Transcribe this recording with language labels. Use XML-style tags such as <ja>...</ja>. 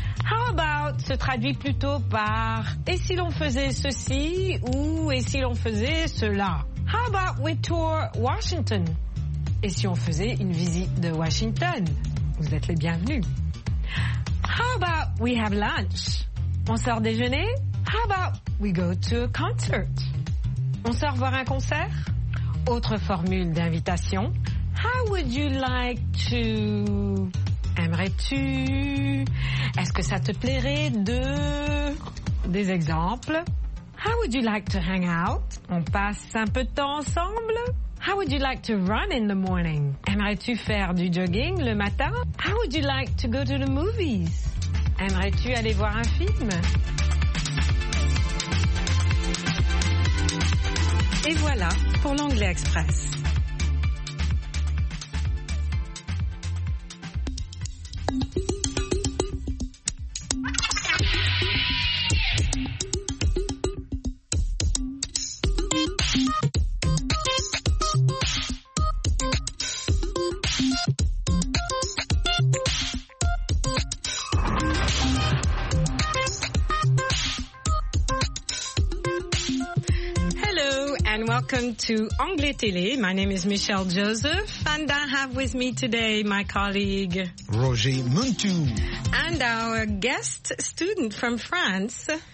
<en>How about</en> <fr>se traduit plutôt par et si l'on faisait ceci ou et si l'on faisait cela?</fr> <en>How about we tour Washington?</en> <fr>Et si on faisait une visite de Washington? Vous êtes les bienvenus.</fr> <en>How about we have lunch?</en> <fr>On sort déjeuner?</fr> <en>How about we go to a concert?</en> <fr>On sort voir un concert? Autre formule d'invitation.</fr> <en>How would you like to?</en> <fr>Aimerais-tu? Est-ce que ça te plairait de? Des exemples.</fr> <en>How would you like to hang out?</en> <fr>On passe un peu de temps ensemble?</fr> <en>How would you like to run in the morning?</en> <fr>Aimerais-tu faire du jogging le matin?</fr> <en>How would you like to go to the movies?</en> <fr>Aimerais-tu aller voir un film? Et voilà pour l'Anglais Express.</fr> <en>Welcome to Anglais Télé. My name is Michelle Joseph, and I have with me today my colleague Roger Muntou and our guest student from France,</en>